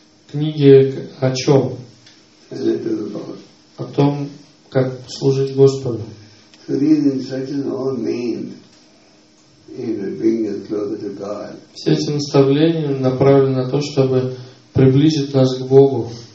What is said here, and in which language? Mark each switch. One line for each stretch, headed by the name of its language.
Russian: Книги о чем? О том, как служить Господу.
English: So these instructions all mean, you know, bring us closer to God.
Russian: Все эти наставления направлены на то, чтобы приблизить нас к Богу.